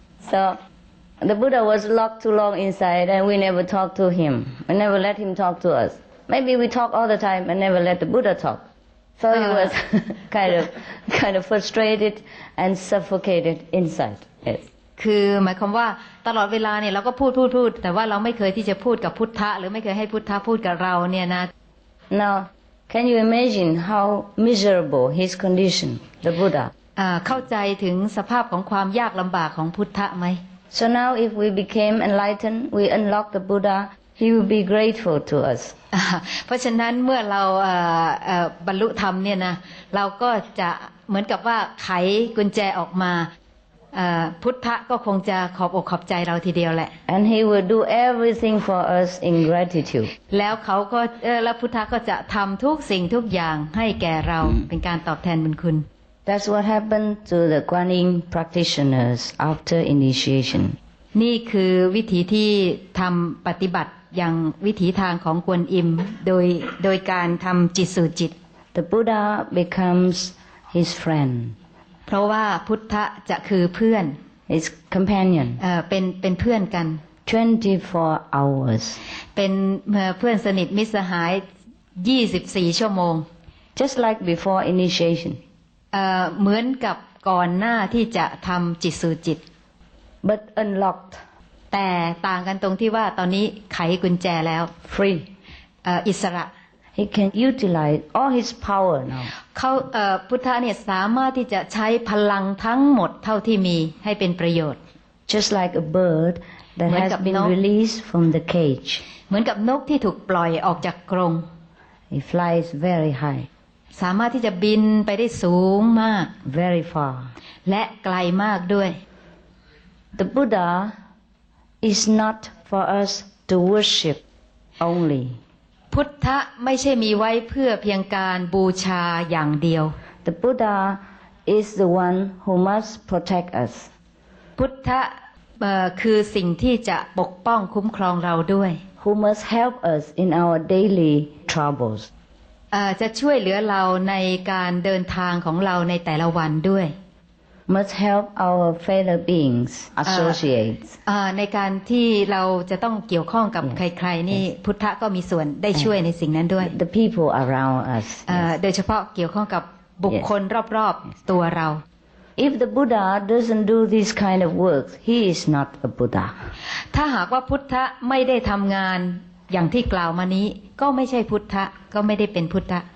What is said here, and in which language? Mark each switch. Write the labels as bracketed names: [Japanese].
[English] So, the Buddha was locked too long inside and we never talk to him. We never let him talk to us. Maybe we talk all the time and never let the Buddha talk. So he was kind of frustrated and suffocated inside. Yes. [Thai] คือหมายความว่าตลอดเวลาเนี่ยเราก็พูดแต่ว่าเราไม่เคยที่จะพูดกับพุทธะหรือไม่เคยให้พุทธะพูดกับเราเนี่ยนะ [English] Now can you imagine how miserable his condition the Buddha [Thai] เข้าใจถึงสภาพของความยากลำบากของพุทธะไหม [English] So now if we became enlightened we unlock the Buddha he will be grateful to us [Thai] เพราะฉะนั้นเมื่อเราบรรลุธรรมเนี่ยนะเราก็จะเหมือนกับว่าไขกุญแจออกมาพุทธะก็คงจะขอบอกขอบใจเราทีเดียวแหละ [English] And he will do everything for us in gratitude [Thai] แล้วเขาก็แล้วพุทธะก็จะทำทุกสิ่งทุกอย่างให้แก่เราเป็นการตอบแทนบุญคุณ [English] That's what happened to the Guan Yin practitioners after initiation [Thai] นี่คือวิธีที่ทำปฏิบัติอย่างวิถีทางของกวนอิมโดยการทำจิตสู่จิต [English] The Buddha becomes his friend [Thai] เพราะว่าพุทธะจะคือเพื่อน [English] It's companion. [Thai] เป็นเพื่อนกัน [English] 24 hours. [Thai] เป็นเพื่อนสนิทมิตรสหาย24ชั่วโมง [English] Just like before initiation. [Thai] เหมือนกับก่อนหน้าที่จะทำจิตสู่จิต [English] But unlocked. [Thai] แต่ต่างกันตรงที่ว่าตอนนี้ไขกุญแจแล้ว [English] Free. [Thai] อิสระ [English] He can utilize all his power now. [Thai] เขาพุทธะเนี่ยสามารถที่จะใช้พลังทั้งหมดเท่าที่มีให้เป็นประโยชน์ [English] Just like a bird that has been released from the cage. [Thai] เหมือนกับนกที่ถูกปล่อยออกจากกรง [English] He flies very high. [Thai] สามารถที่จะบินไปได้สูงมาก [English] Very far. [Thai] และไกลมากด้วย [English] The Buddha is not for us to worship only. [Thai] พุทธะไม่ใช่มีไว้เพื่อเพียงการบูชาอย่างเดียว [English] The Buddha is the one who must protect us [Thai] พุทธะคือสิ่งที่จะปกป้องคุ้มครองเราด้วย [English] Who must help us in our daily troubles [Thai] จะช่วยเหลือเราในการเดินทางของเราในแต่ละวันด้วย [English] Must help our fellow beings associates [Thai] ในการที่เราจะต้องเกี่ยวข้องกับ ใครๆนี่ พุทธะก็มีส่วนได้ช่วยในสิ่งนั้นด้วย [English] The people around us [Thai] โดยเฉพาะเกี่ยวข้องกับบุคคลรอบๆตัวเรา [English] If the Buddha doesn't do this kind of work he is not a Buddha [Thai] ถ้าหากว่าพุทธะไม่ได้ทำงานอย่างที่กล่าวมานี้ก็ไม่ใช่พุทธะก็ไม่ได้เป็นพุทธะ